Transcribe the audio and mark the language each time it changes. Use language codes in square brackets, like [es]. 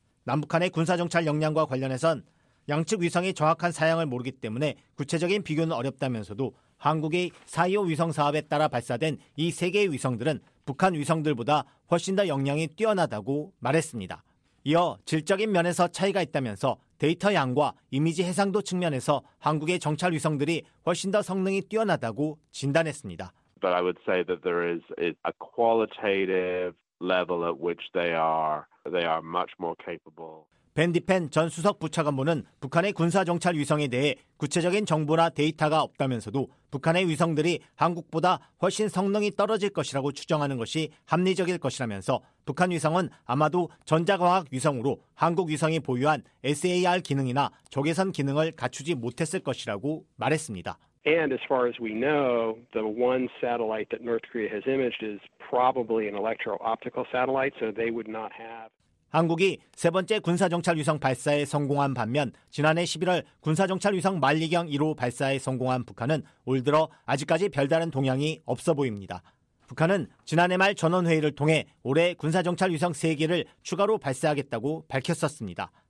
[ko] 남북한의 군사 정찰 역량과 관련해선 양측 위성의 정확한 사양을 모르기 때문에 구체적인 비교는 어렵다면서도 한국의 사이오 위성 사업에 따라 발사된 이 세 개의 위성들은 북한 위성들보다 훨씬 더 역량이 뛰어나다고 말했습니다. 이어 질적인 면에서 차이가 있다면서 데이터 양과 이미지 해상도 측면에서 한국의 정찰 위성들이 훨씬 더 성능이 뛰어나다고 진단했습니다. [en] But I would say that there is a qualitative level at which they are much more capable. [ko] 벤 디펜 전 수석 부차관보는 북한의 군사정찰 위성에 대해 구체적인 정보나 데이터가 없다면서도 북한의 위성들이 한국보다 훨씬 성능이 떨어질 것이라고 추정하는 것이 합리적일 것이라면서 북한 위성은 아마도 전자과학 위성으로 한국 위성이 보유한 SAR 기능이나 적외선 기능을 갖추지 못했을 것이라고 말했습니다. [en] And as far as we know, the one satellite that North Korea has imaged is probably an electro-optical satellite, so they would not have... [ko] 한국이 세 번째 군사정찰 위성 발사에 성공한 반면 지난해 11월 군사정찰 위성 만리경 1호 발사에 성공한 북한은 올 들어 아직까지 별다른 동향이 없어 보입니다. 북한은 지난해 말 전원회의를 통해 올해 군사정찰 위성 3개를 추가로 발사하겠다고 밝혔었습니다.